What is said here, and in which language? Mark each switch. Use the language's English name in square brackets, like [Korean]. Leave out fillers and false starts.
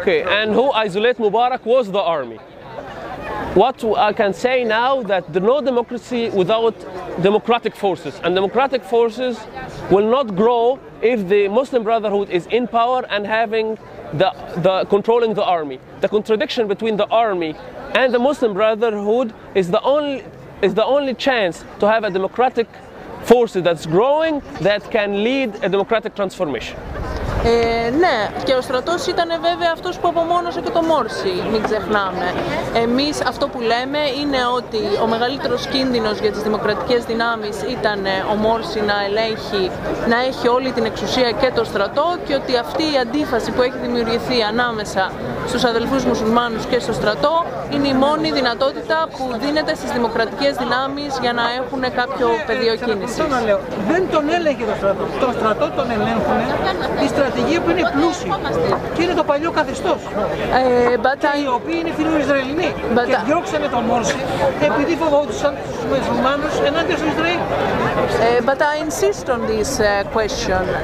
[English] Okay, and who isolated Mubarak was the army. What I can say now that no democracy without democratic forces, and democratic forces will not grow if the Muslim Brotherhood is in power and having the controlling the army. The contradiction between the army and the Muslim Brotherhood is the only chance to have a democratic force that's growing that can lead a democratic transformation. [Greek] Ναι, και ο στρατός ήταν βέβαια αυτός που απομόνωσε και το Μόρση, μην ξεχνάμε. Εμείς αυτό που λέμε είναι ότι ο μεγαλύτερος κίνδυνος για τις δημοκρατικές δυνάμεις ήταν ο Μόρση να ελέγχει, να έχει όλη την εξουσία και το στρατό και ότι αυτή η αντίφαση που έχει δημιουργηθεί ανάμεσα στους αδελφούς μουσουλμάνους και στο στρατό είναι η μόνη δυνατότητα που δίνεται στις δημοκρατικές δυνάμεις για να έχουν κάποιο πεδίο κίνησης. Να λέω, δεν τον έλεγε το στρατό, τον ελέγχουν. Στρατηγία που είναι πλούσιοι και είναι το παλιό καθεστώς και οι οποίοι είναι φιλοϊσραηλινοί και διώξανε τον Μόρση επειδή φοβόντουσαν τους μουσουλμάνους ενάντια στο Ισραήλ. [English] But I insist on this question.